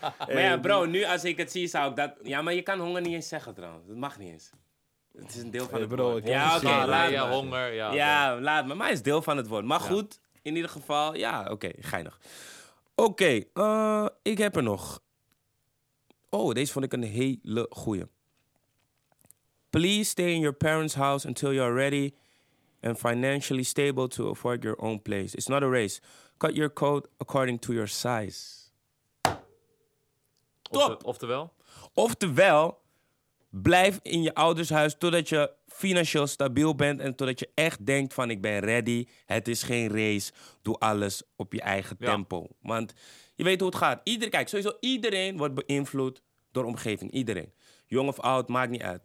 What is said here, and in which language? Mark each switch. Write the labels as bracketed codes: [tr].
[nl] Maar ja, bro, nu als ik het zie, zou ik dat... Ja, maar je kan honger niet eens zeggen, trouwens. Dat mag niet eens. Het is een deel van het woord. Ja, oké, laat me. Honger, ja. Ja, laat me. Maar het is deel van het woord. Maar goed, in ieder geval, ja, oké, geinig. Oké, ik heb er nog... Oh, deze vond ik een hele goeie. [en] Please stay in your parents' house until you are ready... and financially stable to afford your own place. It's not a race. Cut your coat according to your size. [nl] Top! Oftewel? Oftewel, blijf in je ouders huis totdat je financieel stabiel bent... en totdat je echt denkt van ik ben ready. Het is geen race. Doe alles op je eigen tempo. Want je weet hoe het gaat. Iedereen wordt beïnvloed door omgeving. Iedereen. Jong of oud, maakt niet uit.